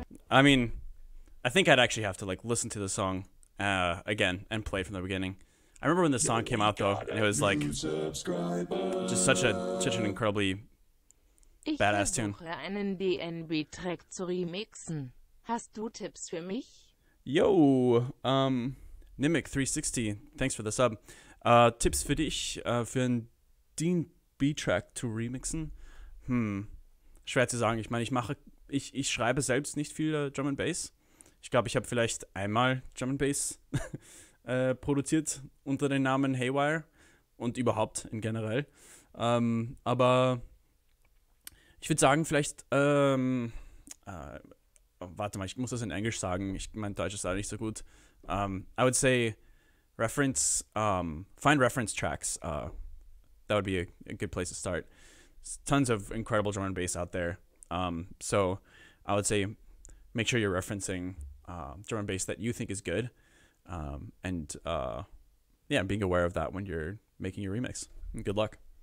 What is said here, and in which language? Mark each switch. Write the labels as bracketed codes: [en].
[en] I mean, I think I'd actually have to, like, listen to the song again and play from the beginning. I remember when the song came out, though, and it was, like, just such an incredibly badass tune. [de] Ich versuche einen DNB-Track zu remixen. Hast du Tipps für mich? [en] Yo, Nimic360, thanks for the sub. [de] Tipps für dich, für einen DNB-Track zu remixen? Schwer zu sagen, ich meine, ich schreibe selbst nicht viel Drum and Bass. Ich glaube, ich habe vielleicht einmal Drum and Bass produziert unter dem Namen Haywyre und überhaupt in generell. Aber ich würde sagen, vielleicht, warte mal, ich muss das in Englisch sagen. Ich mein Deutsch ist leider nicht so gut. [en] I would say reference, find reference tracks. That would be a good place to start. There's tons of incredible drum and bass out there. So I would say make sure you're referencing drum and bass that you think is good, and being aware of that when you're making your remix. And good luck.